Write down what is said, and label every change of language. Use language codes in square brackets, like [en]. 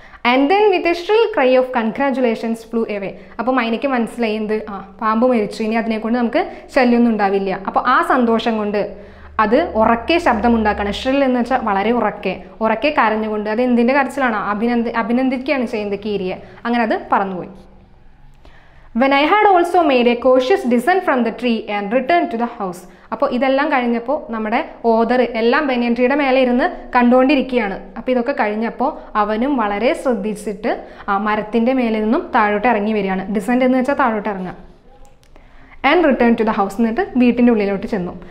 [en] And then with a shrill cry of congratulations flew away. [ml] അപ്പോൾ മൈനയ്ക്ക് മനസ്സിലായത്, ആ പാമ്പ് മരിച്ചു, ഇനി അതിനെക്കൊണ്ട് നമുക്ക് ശല്യമൊന്നും ഉണ്ടാവില്ല. അപ്പോൾ ആ സന്തോഷം കൊണ്ട് അത് ഉറക്കെ ശബ്ദമുണ്ടാക്കണം, ഷ്രിൽ എന്ന് വെച്ചാൽ വളരെ ഉറക്കെ, ഉറക്കെ കരഞ്ഞുകൊണ്ട്. അത് എന്തിൻ്റെ കരച്ചിലാണ്, അഭിനന്ദിക്കുകയാണ് ചെയ്യുന്നത് കീരിയെ. അങ്ങനെ അത് പറന്നുപോയി. [en] When I had also made a cautious descent from the tree and returned to the house. [ml] അപ്പോൾ ഇതെല്ലാം കഴിഞ്ഞപ്പോൾ നമ്മുടെ ഓദർ എല്ലാം ബനിയൻ ട്രീയുടെ മേലെ ഇരുന്ന് കണ്ടുകൊണ്ടിരിക്കുകയാണ്. അപ്പോൾ ഇതൊക്കെ കഴിഞ്ഞപ്പോൾ അവനും വളരെ ശ്രദ്ധിച്ചിട്ട് ആ മരത്തിൻ്റെ മേലെ നിന്നും താഴോട്ട് ഇറങ്ങി വരികയാണ്. ഡിസെൻഡ് എന്ന് വെച്ചാൽ താഴോട്ട് ഇറങ്ങുക. [en] and return to the house, [ml] എന്നിട്ട് വീട്ടിൻ്റെ ഉള്ളിലോട്ട് ചെന്നു.